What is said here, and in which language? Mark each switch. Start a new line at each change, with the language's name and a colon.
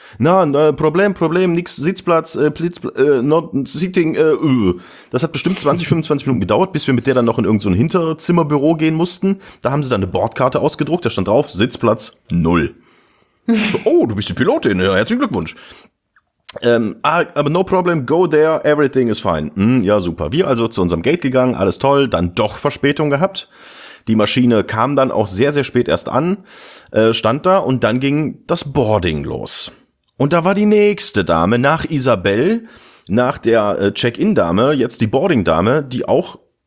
German: Na, Problem, nix Sitzplatz,
English: not sitting,
German: Das hat bestimmt 20, 25 Minuten gedauert, bis wir mit der dann noch in irgendein Hinterzimmerbüro gehen mussten. Da haben sie dann eine Bordkarte ausgedruckt, da stand drauf, Sitzplatz 0. So, oh, du bist die Pilotin, ja, herzlichen Glückwunsch.
English: Aber no problem, go there, everything is fine.
German: Ja, super. Wir also zu unserem Gate gegangen, alles toll, dann doch Verspätung gehabt. Die Maschine kam dann auch sehr, sehr spät erst an, stand da und dann ging das Boarding los. Und da war die nächste Dame nach Isabel, nach der Check-in-Dame, jetzt die Boarding-Dame, die auch